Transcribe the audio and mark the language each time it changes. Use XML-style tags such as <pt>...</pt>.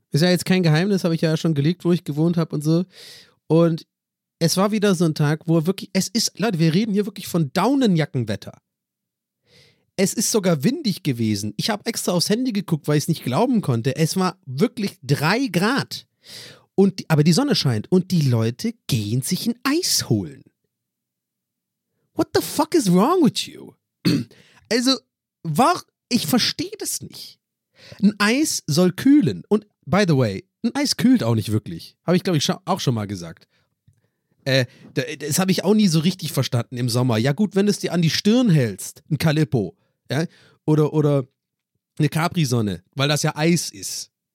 <de>Ist ja jetzt kein Geheimnis, habe ich ja schon geleakt, wo ich gewohnt habe und so. Und es war wieder so ein Tag, wo wirklich, es ist, Leute, wir reden hier wirklich von Daunenjackenwetter. Es ist sogar windig gewesen. Ich habe extra aufs Handy geguckt, weil ich es nicht glauben konnte. Es war wirklich 3 Grad. Aber die Sonne scheint. Und die Leute gehen sich ein Eis holen.</de> <en>What the fuck is wrong with you? Also,</en> <de>Ich verstehe das nicht. Ein Eis soll kühlen. Und</de> <en>by the way,</en> <de>ein Eis kühlt auch nicht wirklich. Habe ich, glaube ich, auch schon mal gesagt. Das habe ich auch nie so richtig verstanden im Sommer. Ja gut, wenn du es dir an die Stirn hältst, ein Calippo, ja, oder eine Capri-Sonne, weil das ja Eis ist.</de>